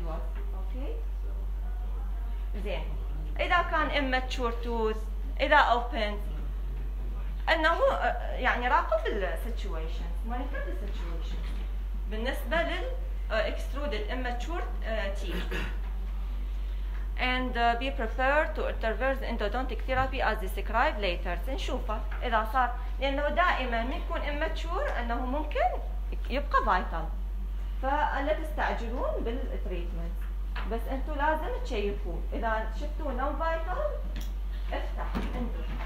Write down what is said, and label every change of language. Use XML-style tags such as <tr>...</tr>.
<ar>اوكي زين، اذا كان immature tooth، اذا open، انه يعني راقب السيتويشن، مونيتور السيتويشن بالنسبه لل</ar> <en>extruded immature teeth. And be prepared to intervene the endodontic therapy as described later.</en> <ar>نشوفه اذا صار، لانه دائما يكون immature انه ممكن يبقى vital، فلا تستعجلون بالتريتمنت، بس انتم لازم تشيكوا اذا شفتوا نو فايتال افتح عنده.</ar>